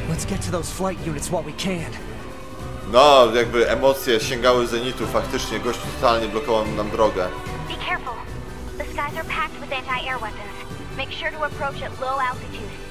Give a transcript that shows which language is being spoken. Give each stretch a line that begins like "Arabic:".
English: Get to those flight units while we can.
Polish: No, jakby emocje sięgały zenitu, faktycznie gość totalnie blokował nam drogę.
English: Be careful. The skies are packed with anti-air weapons. Make sure to approach at low altitude.